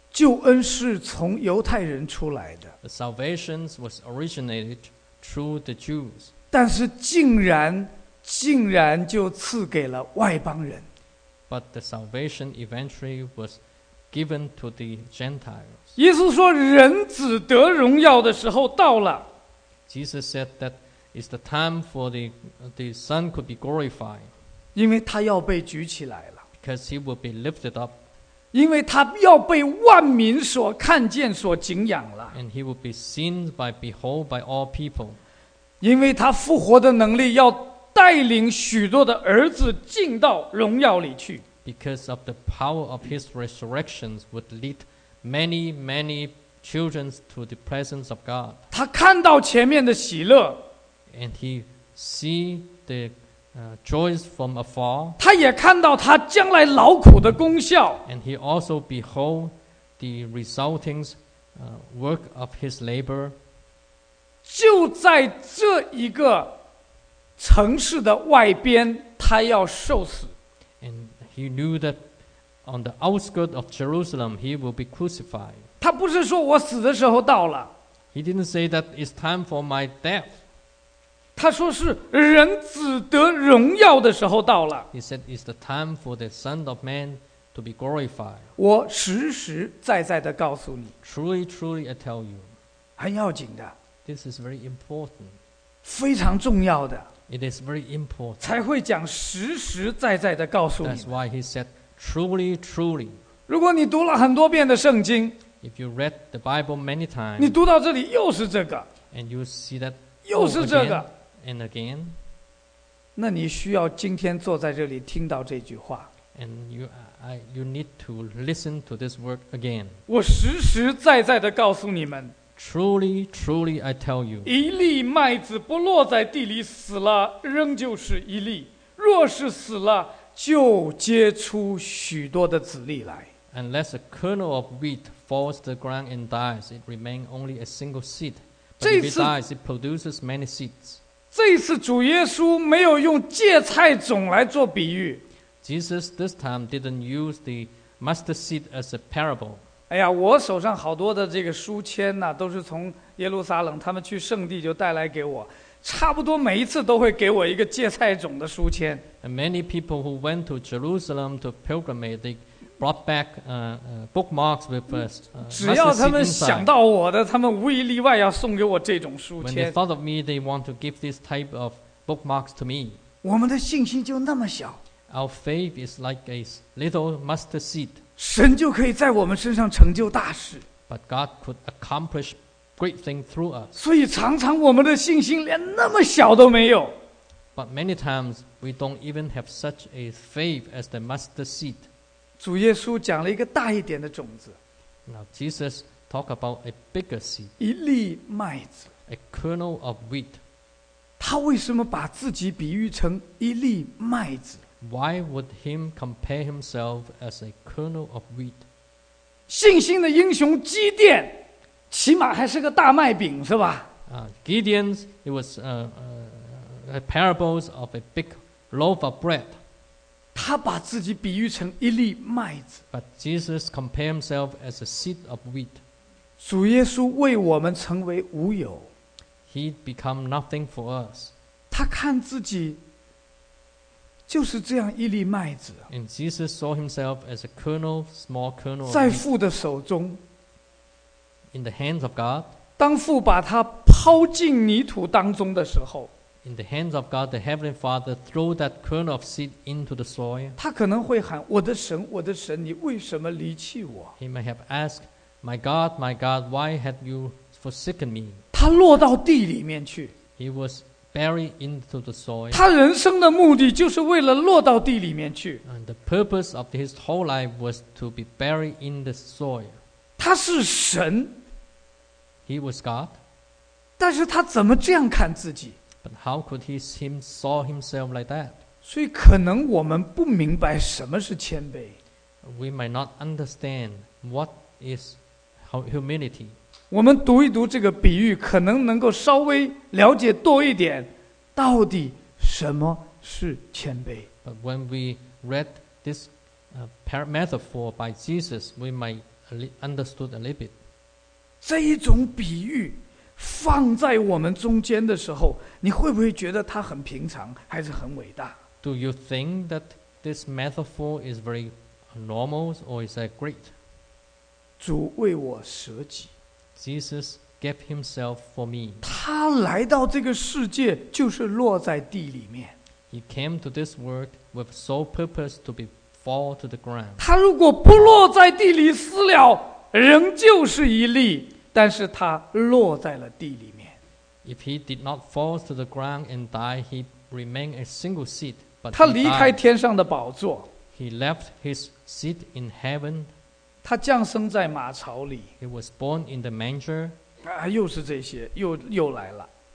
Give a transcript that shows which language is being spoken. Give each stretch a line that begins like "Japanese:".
Chinese: 救恩是从犹太人出来的。
English: The salvation was originated through the Jews.
Chinese: 但是竟然就赐给了外邦人。
English: But the salvation eventually was given to the Gentiles.
Chinese: 耶稣说人子得荣耀的时候到了。
English: Jesus said that it's the time for the Son could be glorified.
Chinese: 因为他要被举起来了。
English: Because he will be lifted up.
Chinese: 因为他要被万民所看见所敬仰了。
English: And he will be seen by behold by all people.
Chinese: 因为他复活的能力要带领许多的儿子进到荣耀里去。
English: Because of the power of his resurrection would lead many, many children to the presence of God.
Chinese: 他看到前面的喜乐。
English: And he see the joys from afar,
Chinese: 他也看到他将来劳苦的功效。
English: And he also behold the resulting work of his labor.
Chinese: 就在这一个城市的外边，他要受死。
English: And he knew that on the outskirts of Jerusalem, he will be crucified.
Chinese: 他不是说我死的时候到了。
English: He didn't say that it's time for my death.
Chinese: 他说是人子得荣耀的时候到了。
English: He said it's the time for the Son of Man to be glorified.
Chinese: 我实实在在地告诉你。
English: Truly, truly, I tell you.
Chinese: 很要紧的。
English: This is very important.
Chinese: 非常重要的。
English: It is very important.
Chinese: 才会讲实实在在地告诉你。
English: That's why he said truly, truly.
Chinese: 如果你读了很多遍的圣经。
English: If you read the Bible many times.
Chinese: 你读到这里又是这个。
English: And you see that.
Chinese: 又是这个。
English: And again,
Chinese: 那你需要今天坐在这里听到这句话。
English: And you need to listen to this word again.
Chinese: 我实实在在地告诉你们。
English: Truly, truly, I tell you.
Chinese: 一粒麦子不落在地里死了，仍旧是一粒；若是死了，就结出许多的子粒来。
English: Unless a kernel of wheat falls to the ground and dies, it remains only a single seed. But if it dies, it produces many seeds.
Chinese: 这一次主耶稣没有用芥菜种来做比喻。
English: Jesus this time didn't use the mustard seed as a parable.
Chinese: 哎呀，我手上好多的这个书签呢，都是从耶路撒冷他们去圣地就带来给我，差不多每一次都会给我一个芥菜种的书签。
English: And many people who went to Jerusalem to pilgrimage, they brought back bookmarks with mustard seed inside.
Chinese: 只要他们想到我的，他们无一例外要送给我这种书签。
English: When they thought of me, they want to give this type of bookmarks to me.
Chinese: 我们的信心就那么小。
English: Our faith is like a little mustard seed.
Chinese: 神就可以在我们身上成就大事。
English: But God could accomplish great things through us.
Chinese: 所以常常我们的信心连那么小都没有。
English: But many times we don't even have such a faith as the mustard seed.
Chinese: 主耶稣讲了一个大一点的种子。
English: Now Jesus talk about a bigger seed.
Chinese: 一粒麦子。
English: A kernel of wheat.
Chinese: 他为什么把自己比喻成一粒麦子？
English: Why would him compare himself as a kernel of wheat?
Chinese: 信心的英雄基甸，起码还是个大麦饼，是吧？
English: Gideon, it was a parables of a big loaf of bread.
Chinese: 他把自己比喻成一粒麦子。
English: But Jesus compared himself as a seed of wheat.
Chinese: 主耶稣为我们成为无有。
English: He become nothing for us.
Chinese: 他看自己就是这样一粒麦子。
English: And Jesus saw himself as a kernel, small kernel.
Chinese: 在父的手中。
English: In the hands of God.
Chinese: 当父把他抛进泥土当中的时候。
English: In the hands of God, the Heavenly Father threw that kernel of seed into the soil.
Chinese: 他可能会喊我的神，我的神，你为什么离弃我？
English: He may have asked, My God, my God, why have you forsaken me?
Chinese: 他落到地里面去。
English: He was buried into the soil.
Chinese: 他人生的目的就是为了落到地里面去。
English: And the purpose of his whole life was to be buried in the soil.
Chinese: 他是神。
English: He was God.
Chinese: 但是他怎么这样看自己？
English: But how could he seem saw himself like that?
Chinese: 所以可能我们不明白什么是谦卑。
English: We might not understand what is humility.
Chinese: 我们读一读这个比喻，可能能够稍微了解多一点，到底什么是谦卑。
English: But when we read this metaphor by Jesus, we might understood a little bit.
Chinese: 这一种比喻放在我们中间的时候，你会不会觉得它很平常，还是很伟大？
English: Do you think that this metaphor is very normal or is that great?
Chinese: 主为我舍己。
English: Jesus gave himself for me.
Chinese: 他来到这个世界就是落在地里面。
English: He came to this world with sole purpose to be fall to the ground.
Chinese: 他如果不落在地里死了，仍旧是一粒。但是他落在了地里面。
English: If he did not fall to the ground and die, he remained a single seed. But
Chinese: 他离开天上的宝座。
English: He left his seat in heaven.
Chinese: 他降生在马槽里。
English: He was born in the manger.
Chinese: 啊，又是这些，又来了。